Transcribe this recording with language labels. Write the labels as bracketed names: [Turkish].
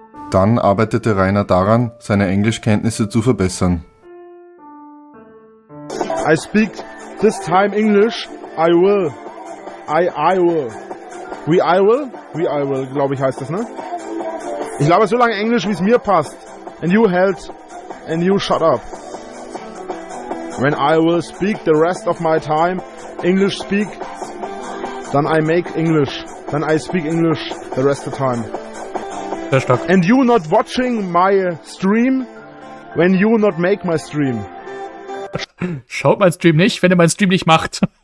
[German] Dann arbeitete Rainer daran, seine Englischkenntnisse zu verbessern. [English] I speak this time English, I will. I will. We will, [German] glaube ich, heißt das, ne? Ich laber so lange Englisch, wie es mir passt. [English] And you shut up. When I will speak the rest of my time, English speak, then I make English. Then I speak English the rest of the time. [German] Sehr stark. [English] And you not watching my stream, when you not make my stream. [German] Schaut mein Stream nicht, wenn ihr mein Stream nicht macht.